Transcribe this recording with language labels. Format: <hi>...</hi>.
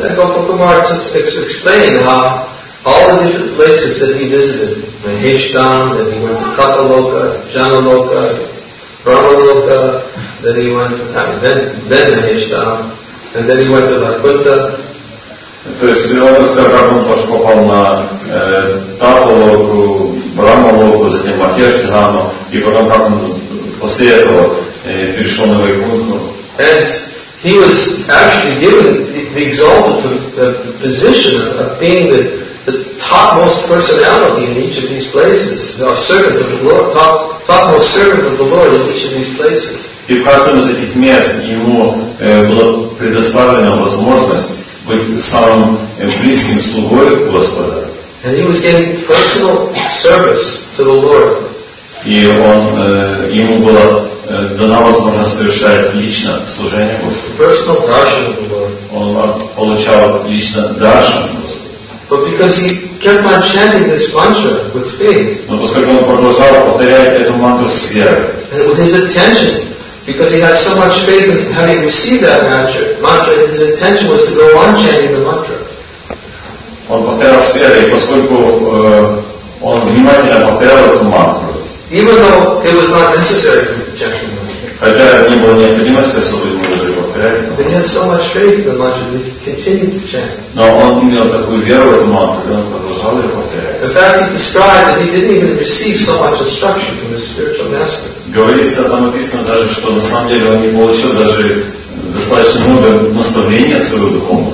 <en>And Gopa Kumar explained how all the different places that he visited, Maheshtam, that he went to Kapaloka, Janaloka, Brahmaloka, that he went to then Maheshtam, and then he went to Vaikuntha.</en> <ru>То есть он рассказал, как он попал на Таполоку, Брахмалоку, затем Махештхану, и потом как он после этого перешел на Вайкунту.</ru> <en>And he was actually given the exalted position of being the topmost personality in each of these places, the servant of the Lord, topmost servant of the Lord in each of these places.</en> <ru>И в каждом из этих мест ему была предоставлена возможность быть самым близким слугой Господа.</ru> <en>And he was getting personal service to the Lord.</en> <ru>И он ему была дана возможность совершать лично служение Господу.</ru> <en>Personal darshan of the Lord.</en> <ru>Он получал лично даршан Господа.</ru> <en>But because he kept on chanting this mantra with faith.</en> <ru>Но поскольку он продолжал повторять эту мантру с верой.</ru> <en>And with his attention. Because he had so much faith in having received that mantra, his intention was to go on chanting the mantra.</en> <ru>Он повторял с верой, и поскольку он внимательно повторял эту мантру.</ru> <en>Even though it was not necessary for him to chant the mantra.</en> <ru>Хотя не было необходимости освободить много же его повторять. Но он имел такую веру в эту мантру, и он продолжал ее повторять. Говорится, там написано даже, что на самом деле он не получил даже достаточно много наставления от своего духовного</ru>